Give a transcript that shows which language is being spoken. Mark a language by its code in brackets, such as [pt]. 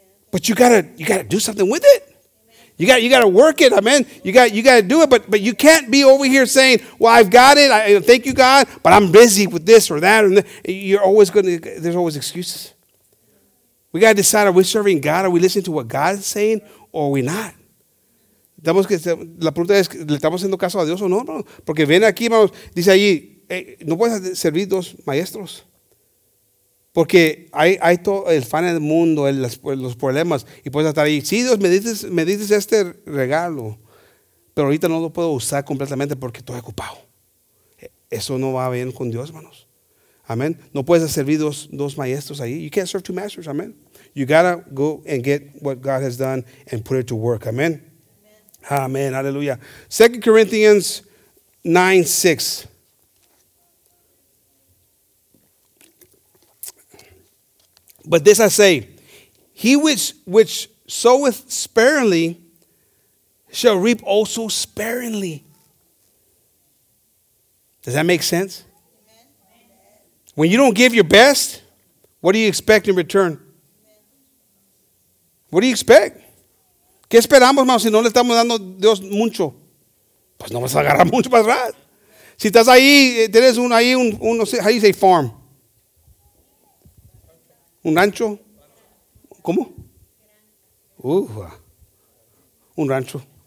[en] But you got to do something with it. You got to work it, amen. You got to do it, but you can't be over here saying, "Well, I've got it. I thank you, God, but I'm busy with this or that." And there's always excuses. We got to decide: are we serving God? Are we listening to what God is saying, or are we not? [es] La pregunta es: ¿le estamos haciendo caso a Dios o no? Porque ven aquí, vamos, dice allí, no puedes servir dos maestros. Porque hay todo el fan del mundo, los problemas, y puedes estar ahí. Sí, Dios, me dices este regalo, pero ahorita no lo puedo usar completamente porque estoy ocupado. Eso no va bien con Dios, hermanos. Amén. No puedes servir dos maestros ahí. [en] You can't serve two masters, amén. You gotta go and get what God has done and put it to work, amén. Amén, aleluya. 2 Corinthians 9:6. But this I say, he which soweth sparingly shall reap also sparingly. Does that make sense? When you don't give your best, what do you expect in return? What do you expect? [es] ¿Qué esperamos, hermano, si no le estamos dando Dios mucho? Pues no vas a agarrar mucho más rato. Si estás ahí, tienes un no sé, [en] how do you say farm? [es] ¿Un rancho? ¿Cómo? Un rancho.